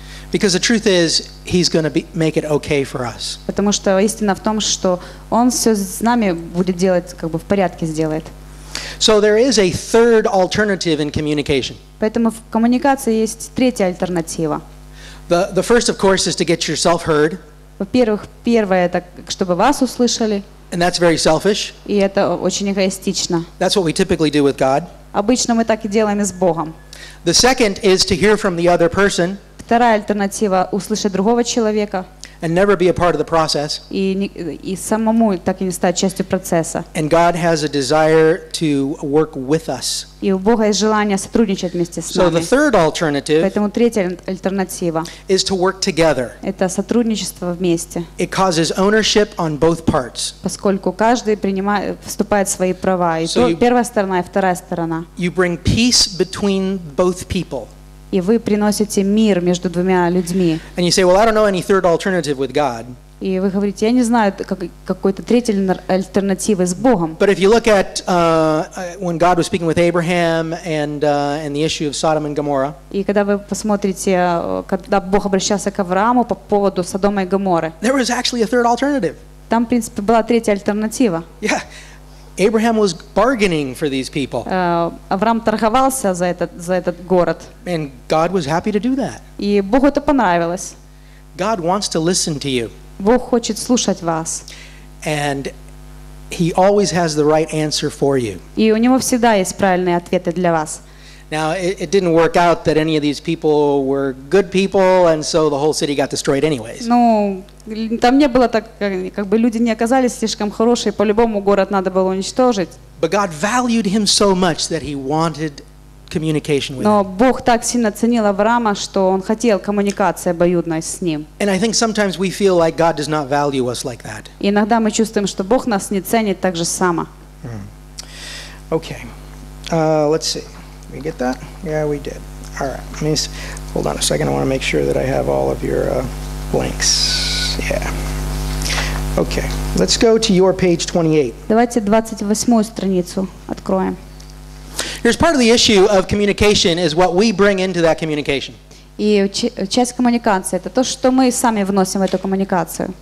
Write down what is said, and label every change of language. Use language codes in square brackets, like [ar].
[en] Because the truth is, he's going to make it okay for us. [ru] Потому что истина в том, что он все с нами будет делать, как бы в порядке сделает. [en] So there is a third alternative in communication. [ru] Поэтому в коммуникации есть третья альтернатива. [en] The first, of course, is to get yourself heard. [ru] Во-первых, первое это чтобы вас услышали. [en] And that's very selfish. [ru] И это очень эгоистично. [en] That's what we typically do with God. [ru] Обычно мы так и делаем с Богом. [en] The second is to hear from the other person. [ru] Вторая альтернатива услышать другого человека. [en] And never be a part of the process. [ru] И самому так и не стать частью процесса. [en] And God has a desire to work with us. [ru] И у Бога есть желание сотрудничать вместе с нами. [en] So the third alternative. [ru] Поэтому третья альтернатива. [en] Is to work together. [ru] Это сотрудничество вместе. [en] It causes ownership on both parts. [ru] Поскольку каждый принимает, вступает в свои права. И то первая сторона и вторая сторона. [en] You bring peace between both people. [ru] И вы приносите мир между двумя людьми. [en] And you say, well, I don't know any third alternative with God. [ru] И вы говорите, я не знаю какой-то третьей альтернативы с Богом. [en] But if you look at when God was speaking with Abraham and the issue of Sodom and Gomorrah. [ru] И когда вы посмотрите, когда Бог обращался к Аврааму по поводу Содома и Гоморры. [en] There was actually a third alternative. [ru] Там, в принципе, была третья альтернатива. [en] Yeah. Abraham was bargaining for these people. [ru] Авраам торговался за этот город. [en] And God was happy to do that. [ru] И Богу это понравилось. [en] God wants to listen to you. [ru] Бог хочет слушать вас. [en] And he always has the right answer for you. [ru] И у него всегда есть правильные ответы для вас. [en] Now it didn't work out that any of these people were good people, and so the whole city got destroyed anyways. [ru] Ну, там не было так, как бы люди не оказались слишком хорошие, по-любому город надо было уничтожить. [en] But God valued him so much that he wanted communication with him. [ru] Но Бог так сильно ценил Авраама, что он хотел коммуникации обоюдной с ним. [en] And I think sometimes we feel like God does not value us like that. [ru] Иногда мы чувствуем, что Бог нас не ценит так же само. [en] Okay. Let's see. We get that? Yeah, we did. All right. Let me hold on a second. I want to make sure that I have all of your blanks. Yeah. Okay. Let's go to your page 28. [ru] Давайте 28-ю страницу откроем. [en] Here's part of the issue of communication is what we bring into that communication. [ru] И часть коммуникации это то, что мы сами вносим в эту коммуникацию.